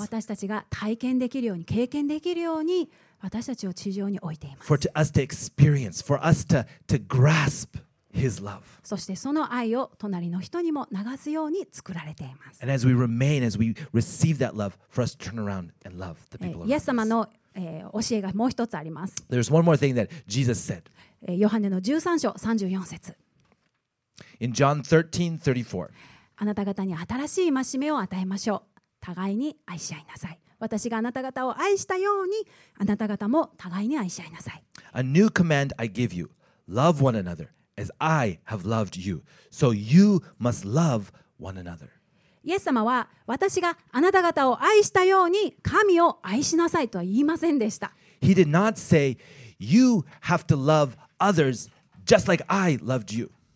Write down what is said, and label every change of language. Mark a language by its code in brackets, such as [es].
[ja] 私たちが体験できるように経験できるように私たちを地上に置いています [en] For us to experience For us to grasp His love [ja] そしてその愛を隣の人にも流すように作られています [en] And as we remain, as we receive that love, for us to turn around and love the people around us. [ja] イエス様の、教えがもう一つあります [en] There's one more thing that Jesus said. [ja] ヨハネの13章34節 [en] In John 13:34, [ja] あなた方に新しい戒めを与えましょう。互いに愛し合いなさい。私があなた方を愛したように、あなた方も互いに愛し合いなさい。 [en] A new command I give you: love one another. As I have loved you, so you must love one another. [ja] イエス様は私があなた方を愛したように神を愛しなさいとは言いませんでした。 [en] He did not say you have to love others just like I loved you.